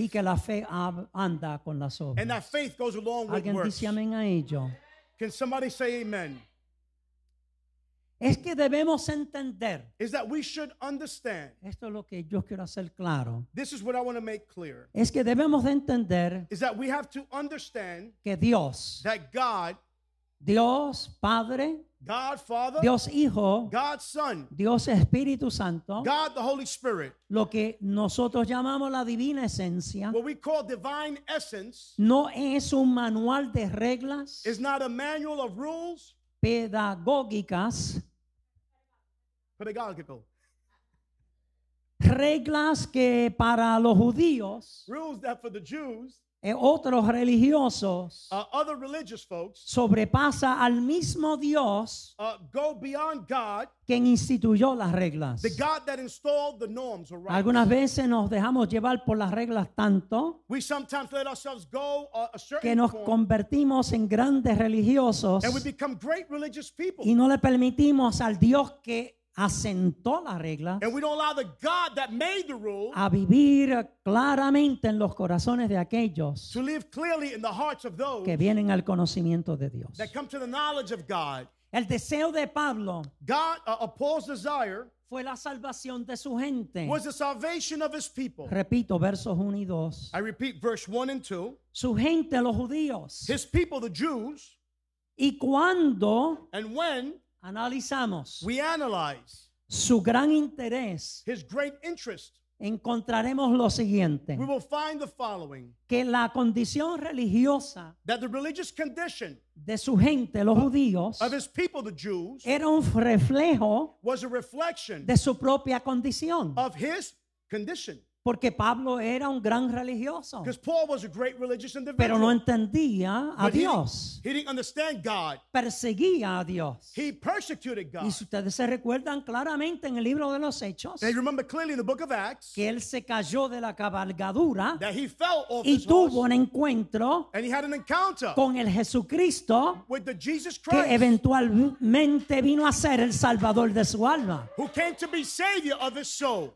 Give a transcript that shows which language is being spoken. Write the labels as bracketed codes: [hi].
[es] y que la fe anda con las obras, [en] and that faith goes along with [es] works. ¿Alguien dice amén a ello? [en] Can somebody say amen? [es] Es que debemos entender. [en] Is that we should understand. [es] Esto es lo que yo quiero hacer claro. [en] This is what I want to make clear. [es] Es que debemos entender. [en] Is that we have to understand. [es] Que Dios. [en] That God. [es] Dios Padre. [en] God Father. [es] Dios Hijo. [en] God Son. [es] Dios Espíritu Santo. [en] God the Holy Spirit. [es] Lo que nosotros llamamos la divina esencia. [en] What we call divine essence. [es] No es un manual de reglas. [en] Is not a manual of rules. [es] Pedagógicas. [en] Pedagogical. [es] Reglas que para los judíos. [en] Rules that for the Jews. [es] Otros religiosos. [en] Other religious folks. [es] Sobrepasa al mismo Dios. [en] Go beyond God. [es] Quien instituyó las reglas. [en] The God that installed the norms or rights. [es] Algunas veces nos dejamos llevar por las reglas tanto. [en] We sometimes let ourselves go a certain form. [es] Que nos convertimos en grandes religiosos. [en] And we become great religious people. [es] Y no le permitimos al Dios que asentó las reglas. [en] And we don't allow the God that made the rules. [es] A vivir claramente en los corazones de aquellos. [en] To live clearly in the hearts of those. [es] Que vienen al conocimiento de Dios. [en] That come to the knowledge of God. [es] El deseo de Pablo. [en] God, Paul's desire. [es] Fue la salvación de su gente. [en] Was the salvation of his people. [es] Repito, versos 1 y 2. [en] I repeat verse 1 and 2. [es] Su gente, los judíos. [en] His people, the Jews. [es] Y cuando. [en] And when. [es] Analizamos. [en] We analyze. [es] Su gran interés. [en] His great interest. [es] Encontraremos lo siguiente. [en] We will find the following. [es] Que la condición religiosa. [en] That the religious condition. [es] De su gente, los judíos. [en] Of his people, the Jews. [es] Era un reflejo. [en] Was a reflection. [es] De su propia condición. [en] Of his condition. [es] Porque Pablo era un gran religioso. [en] Because Paul was a great religious individual. [es] Pero no entendía a Dios. [en] He didn't understand God. [es] Perseguía a Dios. [en] He persecuted God. [es] Y si ustedes se recuerdan claramente en el libro de los Hechos. [en] And you remember clearly in the book of Acts. [es] Que él se cayó de la cabalgadura. [en] That he fell off his horse. [es] Y tuvo un encuentro. [en] And he had an encounter. [es] Con el Jesucristo. [en] With the Jesus Christ. [es] Que eventualmente vino a ser el salvador de su alma. [en] Who came to be savior of his soul.